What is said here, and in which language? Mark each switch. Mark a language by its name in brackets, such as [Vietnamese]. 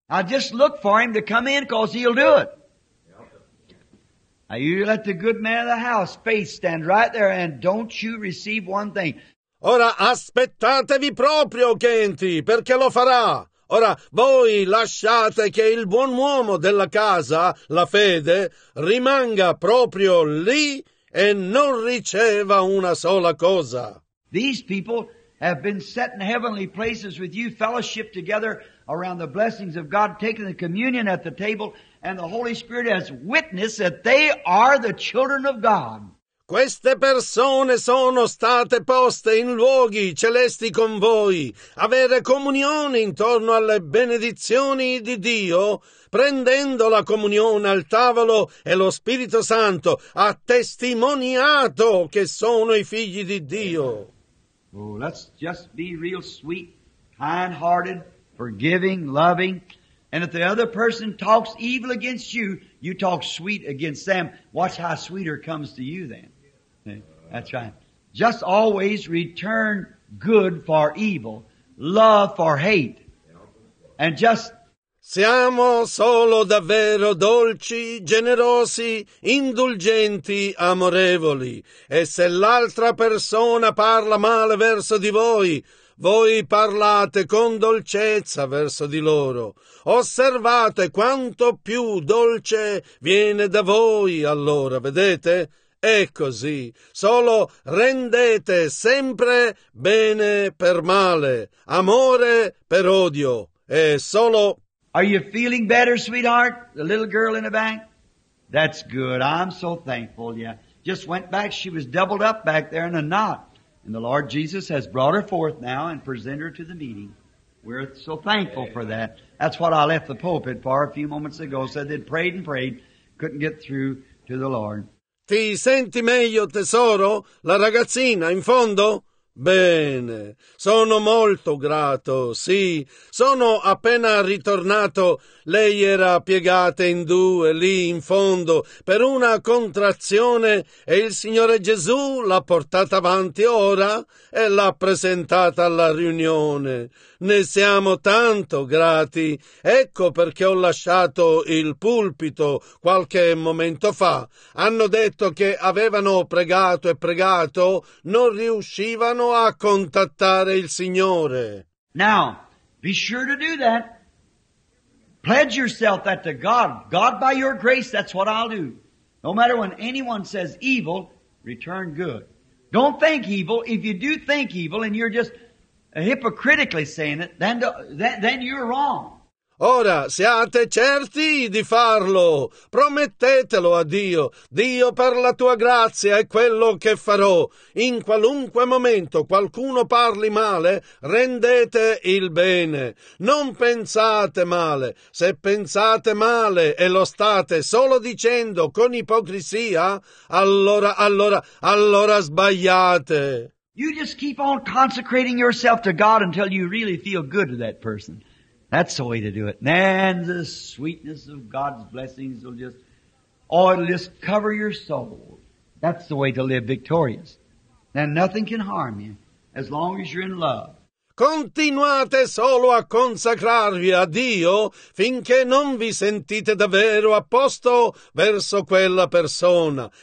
[English] I just look for him to come in, cause he'll do it. Now you let the good man of the house faith stand right there and don't you receive one thing. [Italian] Ora aspettatevi proprio che entri, perché lo farà. Ora voi lasciate che il buon uomo della casa, la fede, rimanga proprio lì e non riceva una sola cosa. [English] These people have been set in heavenly places with you, fellowship together around the blessings of God, taking the communion at the table, and the Holy Spirit has witnessed that they are the children of God. [Italian] Queste persone sono state poste in luoghi celesti con voi. Avere comunione intorno alle benedizioni di Dio, prendendo la comunione al tavolo, e lo Spirito Santo ha testimoniato che sono i figli di Dio. [English] Oh, let's just be real sweet, kind-hearted, forgiving, loving. And if the other person talks evil against you, you talk sweet against them. Watch how sweeter comes to you then. That's right. Just always return good for evil, love for hate, and just... [Italian] Siamo solo davvero dolci, generosi, indulgenti, amorevoli. E se l'altra persona parla male verso di voi, voi parlate con dolcezza verso di loro. Osservate quanto più dolce viene da voi allora, vedete? È così. Solo rendete sempre bene per male, amore per odio. E solo... [English] Are you feeling better, sweetheart? The little girl in the back? That's good. I'm so thankful. Yeah. Just went back. She was doubled up back there in a knot. And the Lord Jesus has brought her forth now and presented her to the meeting. We're so thankful for that. That's what I left the pulpit for a few moments ago. Said they'd prayed and prayed. Couldn't get through to the Lord. [Italian] Ti senti meglio, tesoro? La ragazzina in fondo? Bene, sono molto grato, sì. Sono appena ritornato, lei era piegata in due, lì in fondo, per una contrazione, e il Signore Gesù l'ha portata avanti ora e l'ha presentata alla riunione. Ne siamo tanto grati, ecco perché ho lasciato il pulpito qualche momento fa. Hanno detto che avevano pregato e pregato, non riuscivano a contattare il Signore. [English] Now, be sure to do that. Pledge yourself that to God. God, by your grace, that's what I'll do. No matter when anyone says evil, return good. Don't think evil. If you do think evil and you're just hypocritically saying it, then you're wrong. [Italian] Ora siate certi di farlo, promettetelo a Dio. Dio, per la tua grazia, è quello che farò. In qualunque momento qualcuno parli male, rendete il bene. Non pensate male. Se pensate male e lo state solo dicendo con ipocrisia, allora sbagliate. [English] You just keep on consecrating yourself to God until you really feel good to that person. That's the way to do it. And the sweetness of God's blessings will just, oh, it'll just cover your soul. That's the way to live victorious. And nothing can harm you as long as you're in love. [Italian] Continuate solo a consacrarvi a Dio finché non vi sentite davvero a posto verso quella persona.